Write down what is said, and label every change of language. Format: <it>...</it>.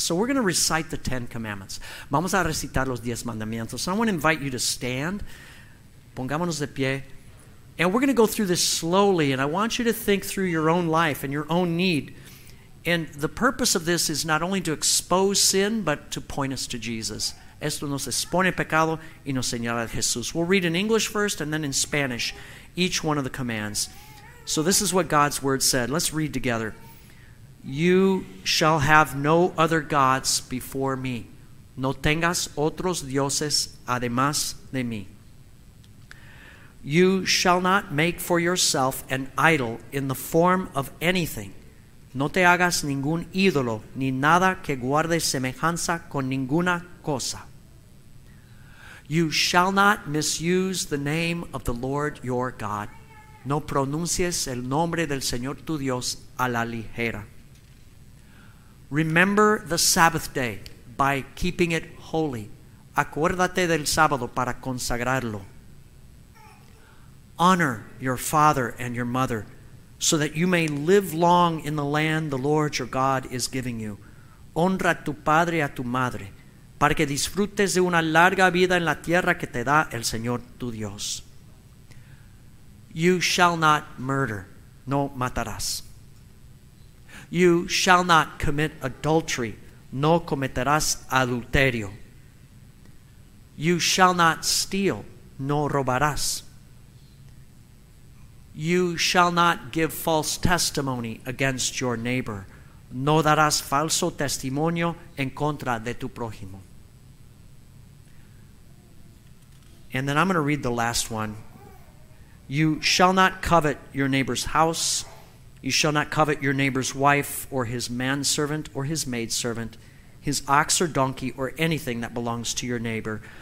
<en>So we're going to recite the Ten Commandments.</en> <es>Vamos a recitar los 10 mandamientos.</es> <en>So I want to invite you to stand.</en> <es>Pongámonos de pie.</es> <en>And we're going to go through this slowly, and I want you to think through your own life and your own need. And the purpose of this is not only to expose sin, but to point us to Jesus.</en> <es>Esto nos expone el pecado y nos señala a Jesús.</es> <en>We'll read in English first and then in Spanish each one of the commands. So this is what God's word said. Let's read together. You shall have no other gods before me.</en> <es>No tengas otros dioses además de mí.</es> <en>You shall not make for yourself an idol in the form of anything.</en> <es>No te hagas ningún ídolo ni nada que guarde semejanza con ninguna cosa.</es> <en>You shall not misuse the name of the Lord your God.</en> <es>No pronuncies el nombre del Señor tu Dios a la ligera.</es> <en>Remember the Sabbath day by keeping it holy.</en> <es>Acuérdate del sábado para consagrarlo.</es> <en>Honor your father and your mother so that you may live long in the land the Lord your God is giving you.</en> <es>Honra a tu padre y a tu madre para que disfrutes de una larga vida en la tierra que te da el Señor tu Dios.</es> <en>You shall not murder.</en> <es>No matarás.</es> <en>You shall not commit adultery.</en> <es>No cometerás adulterio.</es> <en>You shall not steal.</en> <es>No robarás.</es> <en>You shall not give false testimony against your neighbor.</en> <es>No darás falso testimonio en contra de tu prójimo.</es> <en>And then I'm going to read the last one. You shall not covet your neighbor's house. You shall not covet your neighbor's wife or his manservant or his maidservant, his ox or donkey or anything that belongs to your neighbor.</en>